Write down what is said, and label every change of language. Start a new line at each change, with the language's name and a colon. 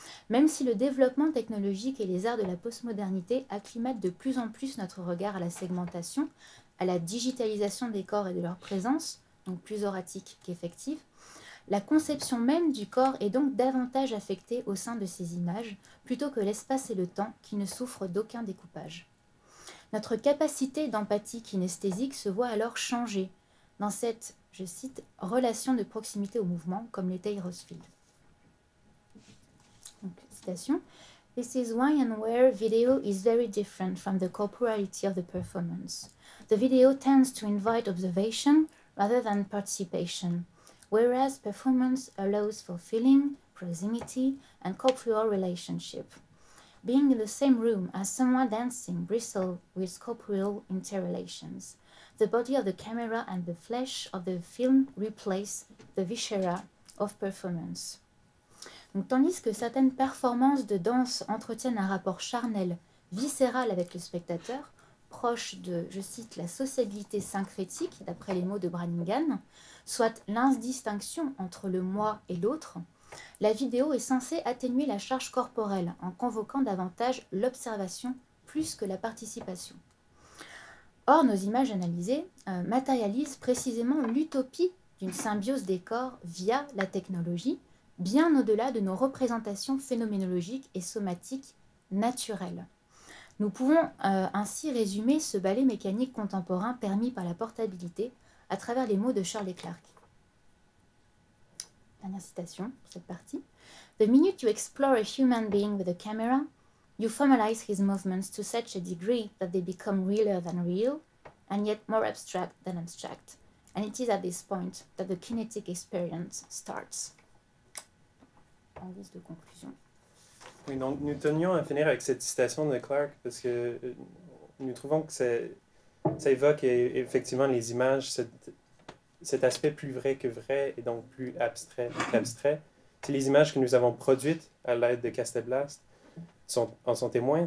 French: Même si le développement technologique et les arts de la postmodernité acclimatent de plus en plus notre regard à la segmentation, à la digitalisation des corps et de leur présence, donc plus auratique qu'effective, la conception même du corps est donc davantage affectée au sein de ces images, plutôt que l'espace et le temps qui ne souffrent d'aucun découpage. notre capacité d'empathie kinesthésique se voit alors changée dans cette, je cite, relation de proximité au mouvement, comme l'était Rosfield. Donc, citation.
English: This is why and where video is very different from the corporality of the performance. The video tends to invite observation rather than participation, whereas performance allows for feeling, proximity, and corporeal relationship. Being in the same room as someone dancing bristles with corporeal interrelations. The body of the camera and the flesh of the film replace the viscera of performance.
French: Donc, tandis que certaines performances de danse entretiennent un rapport charnel, viscéral avec le spectateur, proche de, je cite, la sociabilité syncrétique, d'après les mots de Brannigan, soit l'indistinction entre le moi et l'autre, la vidéo est censée atténuer la charge corporelle en convoquant davantage l'observation plus que la participation. Or, nos images analysées matérialisent précisément l'utopie d'une symbiose des corps via la technologie, bien au-delà de nos représentations phénoménologiques et somatiques naturelles. Nous pouvons ainsi résumer ce ballet mécanique contemporain permis par la portabilité à travers les mots de Shirley Clarke. Dernière citation pour cette partie.
English: The minute you explore a human being with a camera, you formalize his movements to such a degree that they become realer than real, and yet more abstract than abstract. And it is at this point that the kinetic experience starts.
French: En guise de conclusion. Oui, donc nous tenions à finir avec cette citation de Clarke parce que nous trouvons que ça évoque effectivement les images, cet aspect plus vrai que vrai et donc plus abstrait qu'abstrait. C'est les images que nous avons produites à l'aide de Casteblast en sont témoins.